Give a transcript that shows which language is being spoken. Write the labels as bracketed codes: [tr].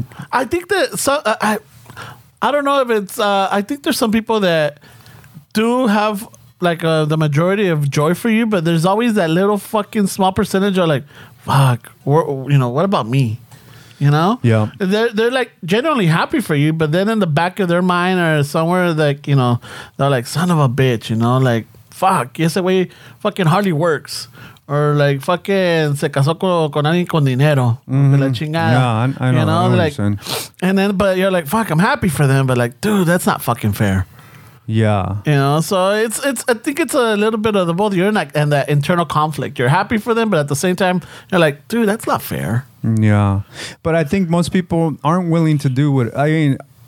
[en] I think that I don't know if it's I think there's some people that do have like the majority of joy for you, but there's always that little fucking small percentage are like, fuck, you know, what about me? You know? Yeah. They're like genuinely happy for you, but then in the back of their mind or somewhere like, you know, they're like, son of a bitch, you know, like, fuck, yes, the way fucking hardly works. Or like fucking [es] se casó con alguien con dinero, mm-hmm. La chingada. [en] Yeah, I know. You know, like, and then but you're like, fuck, I'm happy for them, but like, dude, that's not fucking fair. Yeah, you know. So it's. I think it's a little bit of the both. You're in like, and that internal conflict. You're happy for them, but at the same time, you're like, dude, that's not fair. Yeah, but I think most people aren't willing to do what I mean.